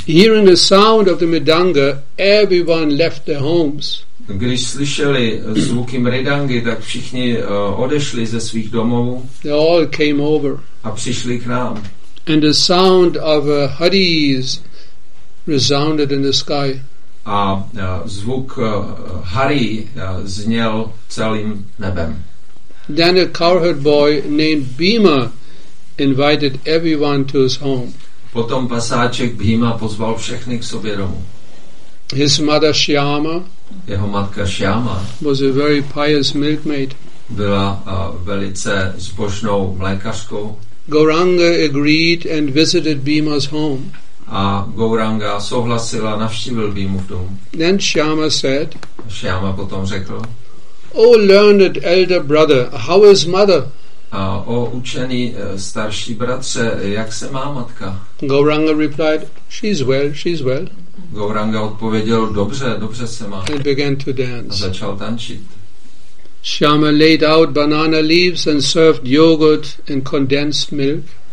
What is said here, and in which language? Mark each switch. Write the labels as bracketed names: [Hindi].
[English] Hearing the sound of the mridanga, everyone left their homes. [Czech] Když slyšeli zvuky mridangy, tak všichni odešli ze svých domovů. [English] They all came over. [Czech] A přišli k nám. [English] And the sound of haris resounded in the sky. [Czech] A zvuk hari zněl celým nebem. [English] Then a cowherd boy named Bhima invited everyone to his home. [Czech] Potom pasáček Bhima pozval všechny k sobě domů. [English] His mother Shyama, [Czech] jeho matka Shyama, [English] was a very pious milkmaid. [Czech] Byla velice zbožnou mlékařkou. [English] Gauranga agreed and visited Bhima's home. [Czech] A Gauranga souhlasil a navštívil Bhimův dům. [English] Then Shyama said, [Czech] Shyama potom řekl, [English] O learned elder brother, how is mother? [Czech] A o učený starší bratře, jak se má matka? [English] Gauranga replied, she's well, she's well. [Czech] Gauranga odpověděl, dobře, dobře se má. [English] And began to dance. [Czech] A začal tančit. [English] Shyama laid out banana leaves and served yogurt and condensed milk.